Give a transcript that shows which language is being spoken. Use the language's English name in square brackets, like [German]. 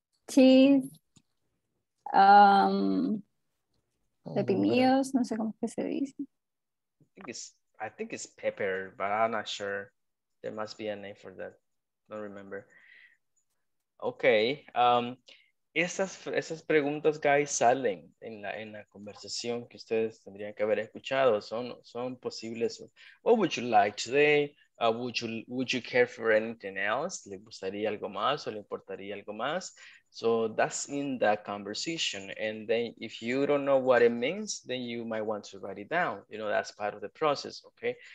[Spanish] Cheese, pepinillos, no sé cómo que se dice. [English] I think it's pepper, but I'm not sure. There must be a name for that. Don't remember. Okay. [Spanish] Esas preguntas, guys, salen en la conversación que ustedes tendrían que haber escuchado. Son posibles. [English] What would you like today? Would you care for anything else? [Spanish] ¿Le gustaría algo más o le importaría algo más? [English] So that's in the conversation. And then if you don't know what it means, then you might want to write it down. You know, that's part of the process, okay?